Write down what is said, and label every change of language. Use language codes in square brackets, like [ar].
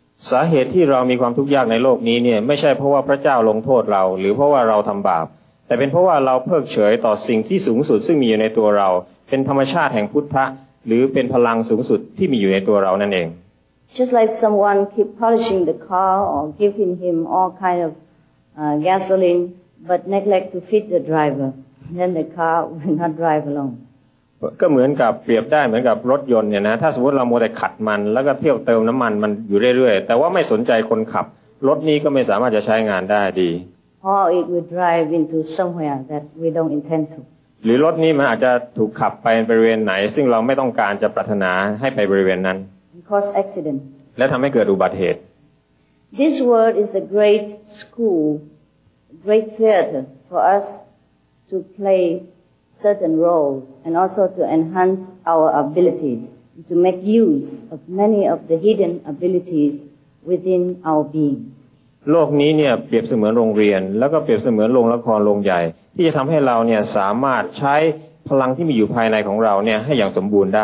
[th] สาเหตุที่เรามีความทุกข์ยากในโลกนี้เนี่ยไม่ใช่เพราะว่าพระเจ้าลงโทษเราหรือเพราะว่าเราทำบาปแต่เป็นเพราะว่าเราเพิกเฉยต่อสิ่งที่สูงสุดซึ่งมีอยู่ในตัวเราเป็นธรรมชาติแห่งพุทธะหรือเป็นพลังสูงสุดที่มีอยู่ในตัวเรานั่นเอง [en] Just like someone keep polishing the car or giving him all kind of gasoline but neglect to feed the driver then the car will not drive alone [th] ก็เหมือนกับเปรียบได้เหมือนกับรถยนต์เนี่ยนะถ้าสมมติเรามัวแต่ขัดมันแล้วก็เที่ยวเติมน้ำมันมันอยู่เรื่อยๆแต่ว่าไม่สนใจคนขับ รถนี้ก็ไม่สามารถจะใช้งานได้ดี [en] Or it will drive into somewhere that we don't intend to [th] หรือรถนี้มันอาจจะถูกขับไปบริเวณไหนซึ่งเราไม่ต้องการจะปรารถนาให้ไปบริเวณนั้น [en] Cause accident [th] และทำให้เกิดอุบัติเหตุ [en] This world is a great school great theater for us to playCertain roles and also to enhance our abilities to make use of many of the hidden abilities within our being. [th] โลกนี้เนี่ยเปรียบเสมือนโรงเรียนแล้วก็เปรียบเสมือนโรงละครโรงใหญ่ที่จะทำให้เราเนี่ยสามารถใช้พลังที่มีอยู่ภายในของเราเนี่ยให้อย่างสมบูรณ์ได